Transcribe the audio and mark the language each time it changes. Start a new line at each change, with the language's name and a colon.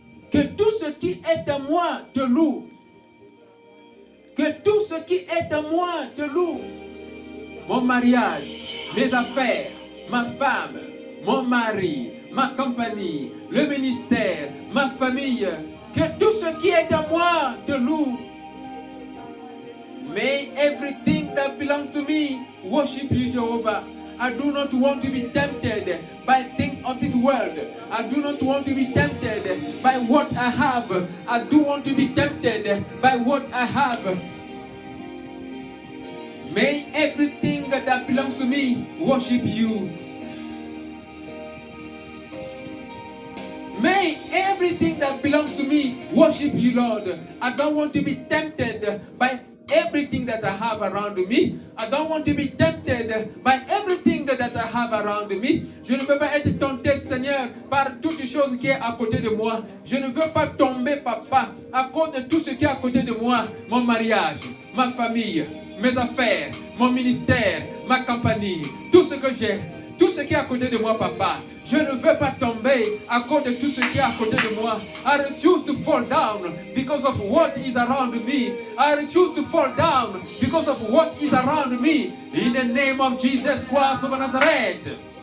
French: Que tout ce qui est à moi te loue. Que tout ce qui est à moi te loue. Mon mariage, mes affaires, ma femme, mon mari, ma compagnie, le ministère, ma famille. Que tout ce qui est à moi te loue.
English: May everything that belongs to me worship you, Jehovah. I do not want to be tempted by things of this world. I do not want to be tempted by what I have. I do want to be tempted by what I have. May everything that belongs to me worship you. May everything that belongs to me worship you, Lord. I don't want to be tempted by everything that I have around me. I don't want to be tempted by everything that I have around me.
French: Je ne veux pas être tenté, Seigneur, par toutes choses qui sont à côté de moi. Je ne veux pas tomber, papa, à cause de tout ce qui est à côté de moi. Mon mariage, ma famille, mes affaires, mon ministère, ma compagnie, tout ce que j'ai, tout ce qui est à côté de moi, papa. Je ne veux pas tomber à cause de tout ce qui est à côté de moi.
English: I refuse to fall down because of what is around me. I refuse to fall down because of what is around me. In the name of Jesus Christ of Nazareth.